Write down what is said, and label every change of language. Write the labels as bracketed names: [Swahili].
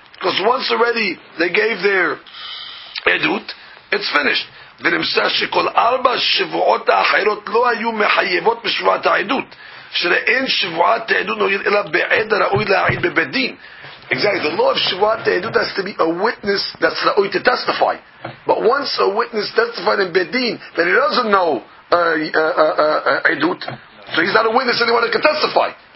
[English] Because once already they gave their edut, it's finished. [Hebrew] ונמצא שכל ארבע שבועות האחרות לא היו מחייבות בשבועת העדות, שלאין שבועת העדות נועיל אלא בעד הראוי להעיד בבית דין. [English] Exactly, the law of שבועת העדות has to be a witness that's ראוי to testify. But once a witness testified in בית דין, then he doesn't know עדות, so he's not a witness anyone that can testify.